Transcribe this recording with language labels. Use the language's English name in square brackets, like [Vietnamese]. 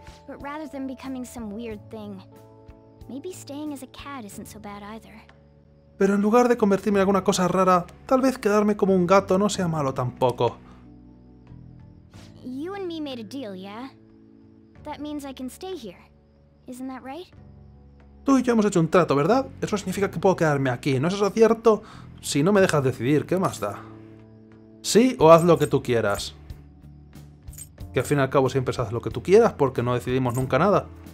[English] But rather than becoming some weird thing, maybe staying as a cat isn't so bad either. [Spanish] Pero en lugar de convertirme en alguna cosa rara, tal vez quedarme como un gato no sea malo tampoco. [English] You and me made a deal, yeah? That means I can stay here. Isn't that right? [Spanish] Tú y yo hemos hecho un trato, ¿verdad? Eso significa que puedo quedarme aquí. ¿No es eso cierto? Si no me dejas decidir, ¿qué más da? Sí, o haz lo que tú quieras. Que al fin y al cabo siempre haz lo que tú quieras, porque no decidimos nunca nada.